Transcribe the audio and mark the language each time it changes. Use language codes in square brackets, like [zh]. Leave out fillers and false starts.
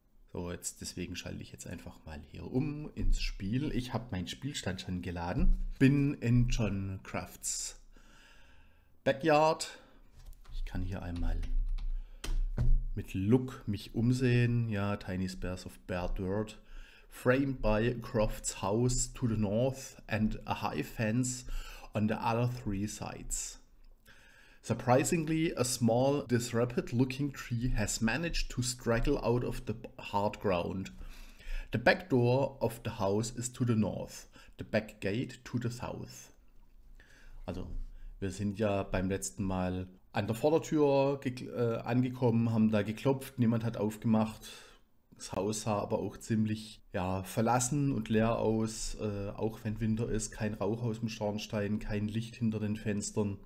[de] So, jetzt deswegen schalte ich jetzt einfach mal hier um ins Spiel. Ich habe meinen Spielstand schon geladen. Bin in John Crafts Backyard. Ich kann hier einmal mit Look mich umsehen. [en] Ja, Tiny Spares of Bare Dirt. Framed by Croft's house to the north and a high fence on the other three sides. Surprisingly, a small, disrupted looking tree has managed to straggle out of the hard ground. The back door of the house is to the north. The back gate to the south. [de] Also, wir sind ja beim letzten Mal an der Vordertür angekommen, haben da geklopft, niemand hat aufgemacht. Das Haus sah aber auch ziemlich ja, verlassen und leer aus, auch wenn Winter ist. Kein Rauch aus dem Schornstein, kein Licht hinter den Fenstern.